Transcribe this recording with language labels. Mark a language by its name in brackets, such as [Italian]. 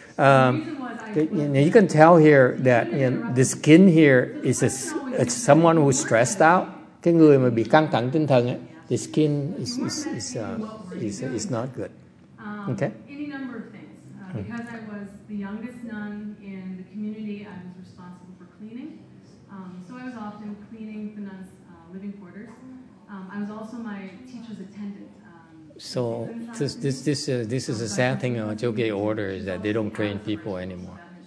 [English] Yeah. You can tell here that the skin here is someone who's stressed out. [Vietnamese] Cái người mà bị căng thẳng tinh thần ấy, [English] the skin is not good. Okay. Any number of things. Because I was the youngest nun in the community, I was responsible for cleaning. So I was often cleaning the nuns' living quarters. I was also my teacher's attendant. So this is a sad thing about Jogye order, is that they don't train people anymore.